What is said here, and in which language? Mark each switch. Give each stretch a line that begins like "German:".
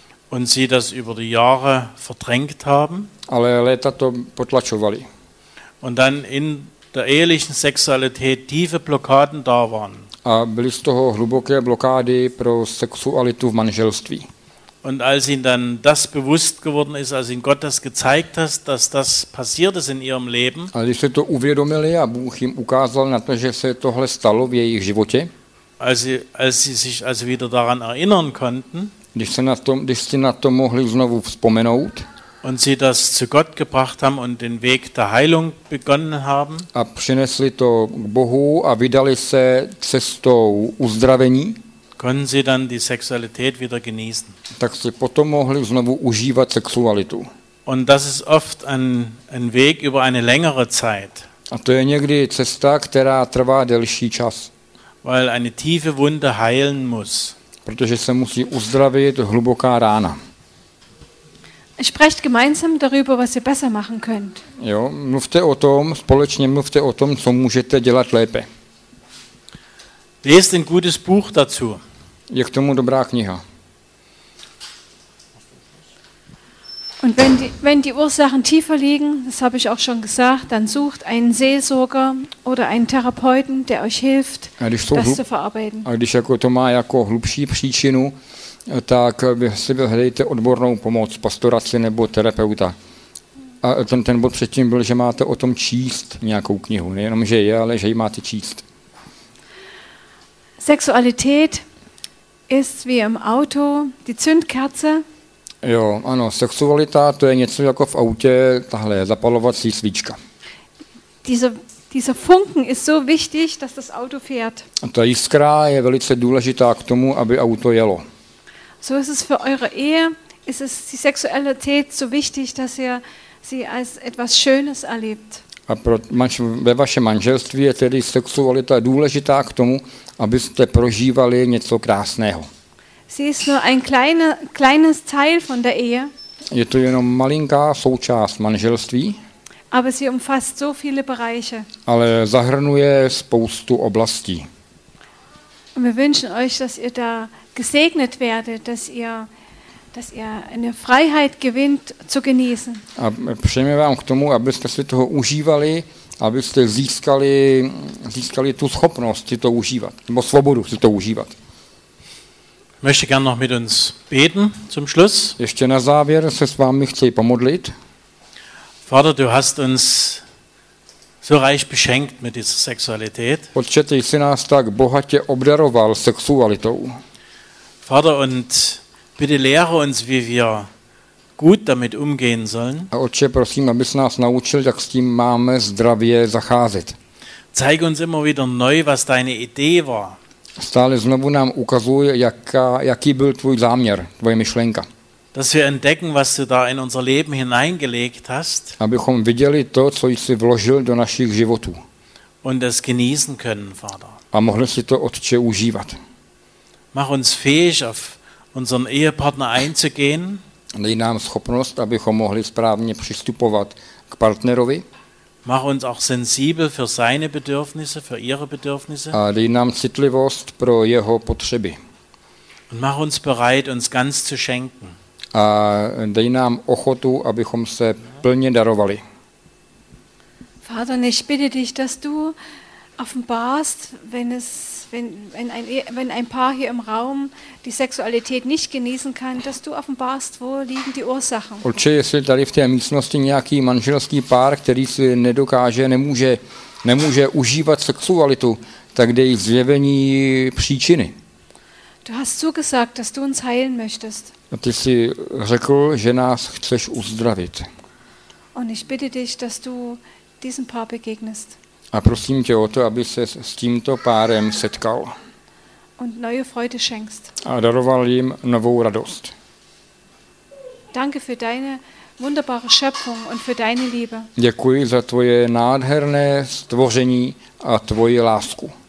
German: Und sie das über die Jahre verdrängt haben.
Czech: Ale léta to potlačovali.
German: Und dann in der ehelichen Sexualität tiefe Blockaden da waren.
Czech: A byly z toho hluboké blokády pro sexualitu v manželství.
German: Und als ihnen dann das bewusst geworden ist, als ihnen Gott das gezeigt hat, dass das passiert ist in ihrem Leben.
Czech: A když se to uvědomili a Bůh jim ukázal na to, že se tohle stalo v jejich životě.
German: Als sie sich also wieder daran erinnern konnten.
Czech: Když si na to mohli znovu vzpomenout.
German: Und sie das zu Gott gebracht haben und den Weg der Heilung begonnen haben.
Czech: A přinesli to k Bohu a vydali se cestou uzdravení.
German: Können sie dann die Sexualität wieder genießen.
Czech: Tak si potom mohli znovu užívat sexualitu.
German: Und das ist oft ein Weg über eine längere Zeit.
Czech: A to je někdy cesta, která trvá delší čas.
German: Weil eine tiefe Wunde heilen muss.
Czech: Protože se musí uzdravit hluboká rána.
German: Sprecht gemeinsam darüber, was ihr besser machen könnt.
Czech: Jo, mluvte o tom, společně mluvte o tom, co můžete dělat lépe.
German: Lest ein gutes Buch dazu.
Czech: Je k tomu dobrá kniha.
German: Und wenn die Ursachen tiefer liegen, das habe ich auch schon gesagt, dann sucht einen Seelsorger oder einen Therapeuten, der euch hilft, das zu verarbeiten.
Czech: A když jako to má jako hlubší příčinu, tak si vyhledejte odbornou pomoc, pastoraci nebo terapeuta. A ten bod předtím byl, že máte o tom číst nějakou knihu, nejenom že je, ale že ji máte číst.
German: Sexualität ist wie im Auto die Zündkerze.
Czech: Jo, ano, sexualita, to je něco jako v autě, tahle zapalovací svíčka.
German: Dieser Funken ist so wichtig, dass das Auto fährt.
Czech: A ta jiskra je velice důležitá k tomu, aby auto jelo.
German: So ist es für eure Ehe, ist es die Sexualität so wichtig, dass ihr sie als etwas Schönes erlebt.
Czech: A ve vašem manželství je tedy sexualita důležitá k tomu, abyste prožívali něco krásného.
German: Sie ist nur ein kleines Teil von der Ehe.
Czech: Je to jenom malinká součást manželství.
German: Aber sie umfasst so viele Bereiche.
Czech: Ale zahrnuje spoustu oblastí.
German: Wir wünschen euch, dass ihr da gesegnet werdet, dass ihr dass ihr eine Freiheit gewinnt zu genießen.
Czech: A přejeme vám k tomu, abyste si toho užívali, abyste získali tu schopnost si to užívat, nebo svobodu si to užívat.
German: Möchte gern noch mit uns beten zum Schluss.
Czech: Ještě na závěr se s vámi chci pomodlit.
German: Vater, du hast uns so reich beschenkt mit dieser Sexualität.
Czech: Otče, ty jsi nás tak bohatě obdaroval sexualitou.
German: Vater, und bitte lehre uns, wie wir gut damit umgehen sollen.
Czech: A Otče, prosím, abys nás naučil, jak s tím máme zdravě zacházet.
German: Zeig uns immer wieder neu, was deine Idee war.
Czech: Stále znovu nám ukazuje, jaký byl tvůj záměr, tvoje myšlenka.
German: Dass wir entdecken, was du da in unser Leben hineingelegt hast.
Czech: Abychom viděli to, co jsi vložil do našich životů.
German: Und es genießen können, Vater.
Czech: A mohli si to, Otče, užívat.
German: Mach uns fähig, auf unseren Ehepartner einzugehen.
Czech: Dej nám schopnost, abychom mohli správně přistupovat k partnerovi.
German: Mach uns auch sensibel für seine Bedürfnisse, für ihre Bedürfnisse.
Czech: A dej nám citlivost pro jeho potřeby.
German: Und mach uns bereit, uns ganz zu schenken.
Czech: A dej nám ochotu, abychom se plně darovali.
German: Vater, ich bitte dich, dass du offenbarst, wenn ein Paar hier im Raum die Sexualität nicht genießen kann, dass du offenbarst, wo liegen die Ursachen.
Czech: Otče, jestli tady v té místnosti nějaký manželský pár, který si nedokáže, nemůže užívat sexualitu, tak dej zjevení příčiny.
German: Du hast zugesagt, dass du uns heilen möchtest.
Czech: A ty jsi řekl, že nás chceš uzdravit.
German: Und ich bitte dich, dass du diesem Paar begegnest.
Czech: A prosím tě o to, aby se s tímto párem setkal.
German: Und neue Freude schenkst.
Czech: A daroval jim novou radost.
German: Danke für deine wunderbare Schöpfung und für deine Liebe.
Czech: Děkuji za tvoje nádherné stvoření a tvoji lásku.